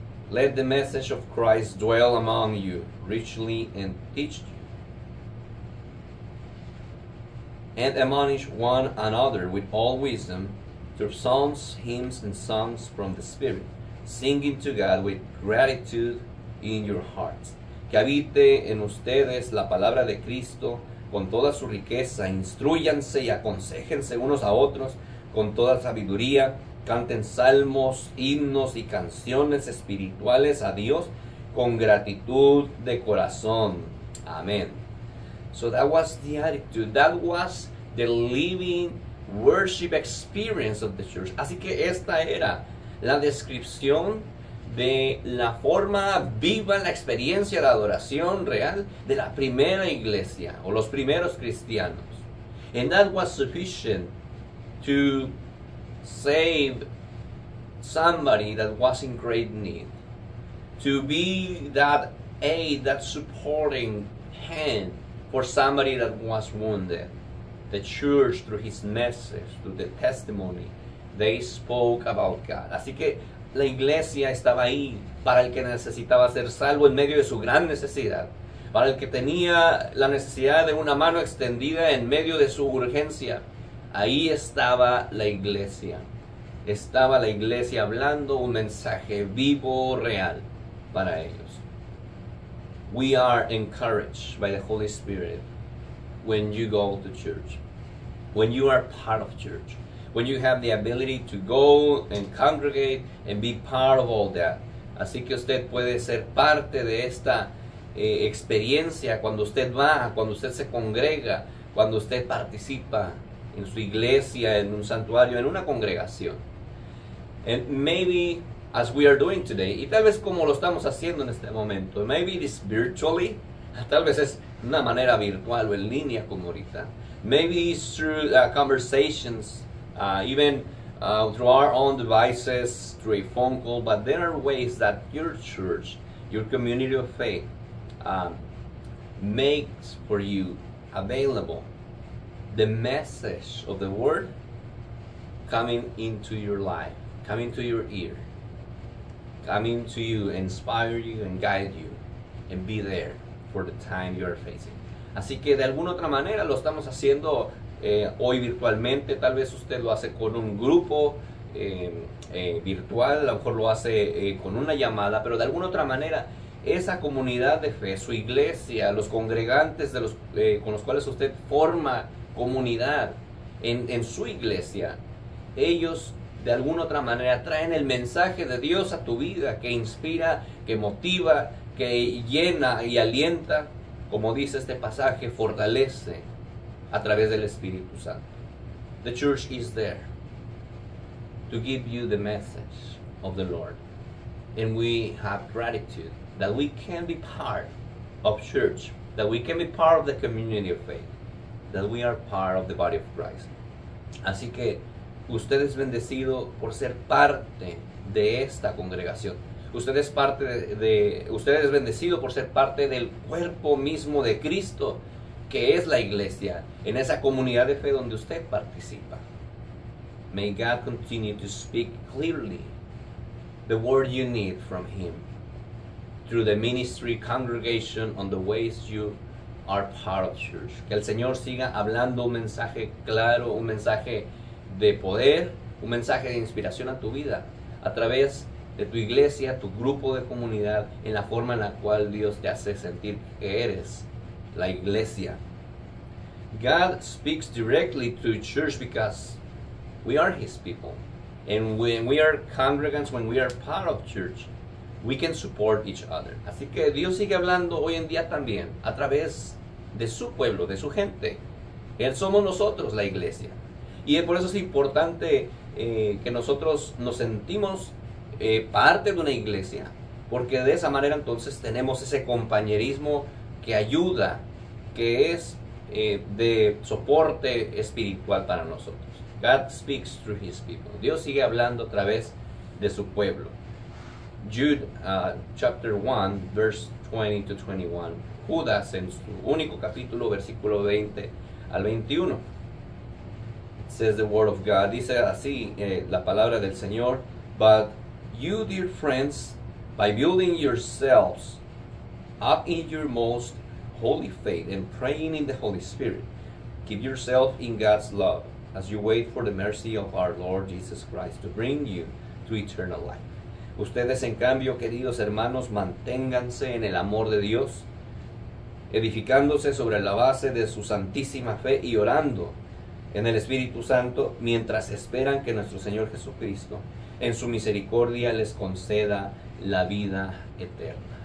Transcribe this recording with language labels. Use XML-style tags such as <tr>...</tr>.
<en>Let the message of Christ dwell among you richly and teach you. And admonish one another with all wisdom through psalms, hymns, and songs from the Spirit. Singing to God with gratitude in your hearts.</en> <es>Que habite en ustedes la palabra de Cristo con toda su riqueza. Instruyanse y aconsejense unos a otros con toda sabiduría. Canten salmos, himnos y canciones espirituales a Dios con gratitud de corazón.</es> <en>Amén. So that was the attitude. That was the living worship experience of the church.</en> <es>Así que esta era la descripción de la forma viva, la experiencia de adoración real de la primera iglesia o los primeros cristianos.</es> <en>And that was sufficient to save somebody that was in great need. To be that aid, that supporting hand for somebody that was wounded. The church, through his message, through the testimony, they spoke about God.</en> <es>Así que la iglesia estaba ahí para el que necesitaba ser salvo en medio de su gran necesidad. Para el que tenía la necesidad de una mano extendida en medio de su urgencia. Ahí estaba la iglesia. Estaba la iglesia hablando un mensaje vivo, real para ellos.</es> <en>We are encouraged by the Holy Spirit when you go to church. When you are part of church. When you have the ability to go and congregate and be part of all that.</en> <es>Así que usted puede ser parte de esta experiencia cuando usted va, cuando usted se congrega, cuando usted participa en su iglesia, en un santuario, en una congregación.</es> <en>And maybe as we are doing today,</en> <es>y tal vez como lo estamos haciendo en este momento,</es> <en>maybe it is virtually,</en> <es>tal vez es una manera virtual o en línea como ahorita.</es> <en>Maybe it's through conversations, even through our own devices, through a phone call, but there are ways that your church, your community of faith, makes for you available the message of the word coming into your life, coming to your ear, coming to you, inspire you and guide you and be there for the time you are facing.</en> <es>Así que de alguna otra manera lo estamos haciendo hoy virtualmente. Tal vez usted lo hace con un grupo virtual, a lo mejor lo hace con una llamada, pero de alguna otra manera esa comunidad de fe, su iglesia, los congregantes de los, con los cuales usted forma comunidad en su iglesia, ellos de alguna otra manera traen el mensaje de Dios a tu vida, que inspira, que motiva, que llena y alienta, como dice este pasaje, fortalece a través del Espíritu Santo.</es> <en>The church is there to give you the message of the Lord. And we have gratitude that we can be part of church, that we can be part of the community of faith, that we are part of the body of Christ.</en> <es>Así que usted es bendecido por ser parte de esta congregación. Usted es parte de, usted es bendecido por ser parte del cuerpo mismo de Cristo, que es la iglesia, en esa comunidad de fe donde usted participa.</es> <en>May God continue to speak clearly the word you need from Him through the ministry congregation on the ways you are part of church.</en> <es>Que el Señor siga hablando un mensaje claro, un mensaje de poder, un mensaje de inspiración a tu vida, a través de tu iglesia, tu grupo de comunidad, en la forma en la cual Dios te hace sentir que eres la iglesia.</es> <en>God speaks directly to church because we are His people. And when we are congregants, when we are part of church, we can support each other.</en> <es>Así que Dios sigue hablando hoy en día también, a través de su pueblo, de su gente. Él somos nosotros, la iglesia. Y por eso es importante que nosotros nos sentimos parte de una iglesia, porque de esa manera entonces tenemos ese compañerismo que ayuda, que es de soporte espiritual para nosotros.</es> <en>God speaks through His people.</en> <es>Dios sigue hablando a través de su pueblo.</es> <en>Jude chapter 1, verse 20 to 21.</en> <es>Judas en su único capítulo, versículo 20 al 21.</es> <en>Says the word of God.</en> <es>Dice así la palabra del Señor.</es> <en>But you, dear friends, by building yourselves up in your most holy faith and praying in the Holy Spirit, keep yourself in God's love as you wait for the mercy of our Lord Jesus Christ to bring you to eternal life.</en> <es>Ustedes, en cambio, queridos hermanos, manténganse en el amor de Dios, edificándose sobre la base de su santísima fe y orando en el Espíritu Santo, mientras esperan que nuestro Señor Jesucristo, en su misericordia, les conceda la vida eterna.</es>